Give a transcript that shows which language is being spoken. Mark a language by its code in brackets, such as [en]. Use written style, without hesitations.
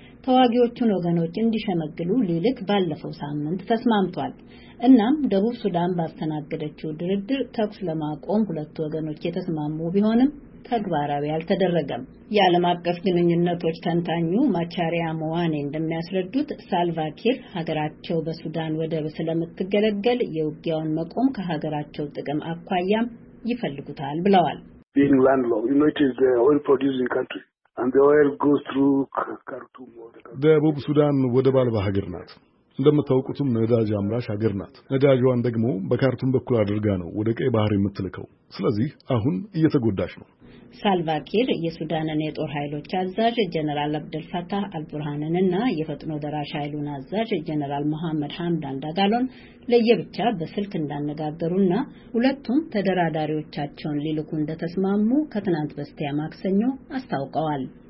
[am] ተዋጊዎቹን ወገኖች እንዲሸመግሉ ሊልክ ባለፈው ሳምንት ተስማምቷል። እናም ደቡብ ሱዳን ባስተናገደችው ድርድር ተኩስ ለማቆም ሁለቱ ወገኖች የተስማሙ ቢሆንም ተግባራዊ አልተደረገም። የዓለም አቀፍ ግንኙነቶች ተንታኙ ማቻሪያ መዋኔ እንደሚያስረዱት ሳልቫ ኪር ሀገራቸው በሱዳን ወደብ ስለምትገለገል የውጊያውን መቆም ከሀገራቸው ጥቅም አኳያም ይፈልጉታል ብለዋል። [en] Being landlocked, you know, it is the oil producing country and the oil goes through Khartoum. [am] ደቡብ ሱዳን ወደብ አልባ ሀገር ናት። እንደምታውቁትም ነዳጅ አምራች ሀገር ናት። ነዳጅዋን ደግሞ በካርቱም በኩል አድርጋ ነው ወደ ቀይ ባህር የምትልከው። ስለዚህ አሁን እየተጎዳች ነው። ሳልቫ ኪር የሱዳንን የጦር ኃይሎች አዛዥ ጀነራል አብደል ፈታህ አልቡርሃንን እና የፈጥኖ ደራሽ ኃይሉን አዛዥ ጀነራል መሐመድ ሐምዳን ዳጋሎን ለየብቻ በስልክ እንዳነጋገሩና ሁለቱም ተደራዳሪዎቻቸውን ሊልኩ እንደተስማሙ ከትናንት በስቲያ ማክሰኞ አስታውቀዋል።